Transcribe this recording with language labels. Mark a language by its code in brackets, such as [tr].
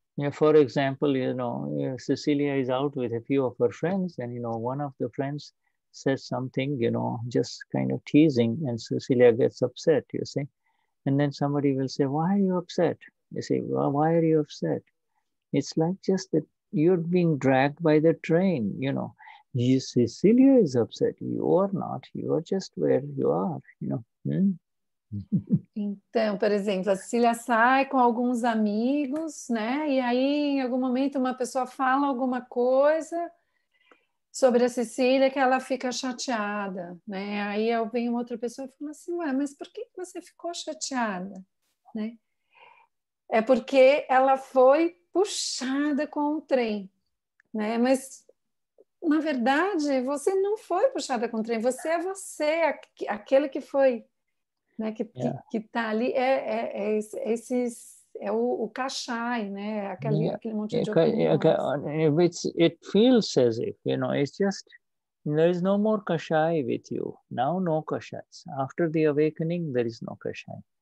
[en] Yeah, for example, you know, Cecilia is out with a few of her friends, and you know, one of the friends says something, you know, just kind of teasing, and Cecilia gets upset, you see. And then somebody will say, why are you upset? You say, well, why are you upset? It's like just that you're being dragged by the train, you know. You, Cecilia is upset. You are not. You are just where you are, you know. [pt] Então, por exemplo, a Cecilia sai com alguns amigos, né? E aí, em algum momento, uma pessoa fala alguma coisa sobre a Cecilia que ela fica chateada, né? Aí vem uma outra pessoa e fala assim, ué, mas por que você ficou chateada? Né? É porque ela foi puxada com o trem, né? Mas na verdade, você não foi puxada com o trem, você é você, aquele que foi, né, que tá ali, é o cachai, né, aquele monte de opiniões. [en] It feels as if, you know, it's just, there is no more cachai with you, now no cachais, after the awakening, there is no cachai.